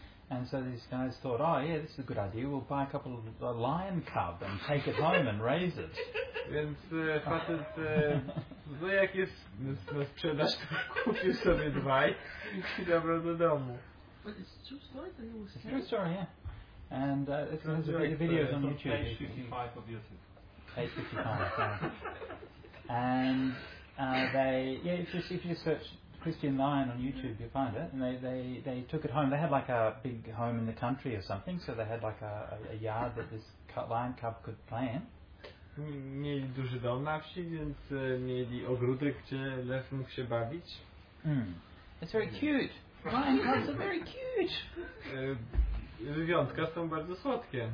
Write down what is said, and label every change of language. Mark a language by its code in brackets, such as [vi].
[en] And so these guys thought, oh yeah, this is a good idea. We'll buy a couple of a lion cub and take it home and raise it. [pl] Więc facet, no jak jest na sprzedaż, to kupisz sobie dwaj i zabrał do domu. [en] But it's a true story, yeah. And there's a video on YouTube. Page 55 of YouTube. Page 55, yeah. And if you search Christian Lion on YouTube, you find it, and they took it home. They had like a big home in the country or something, so they had like a yard that this lion cub could play in. [pl] Mieli duży dom na wsi, więc mieli ogródek, gdzie lew mógł się bawić. [en] It's very cute. Lion cubs are very cute. [pl] Lwiątka są bardzo słodkie.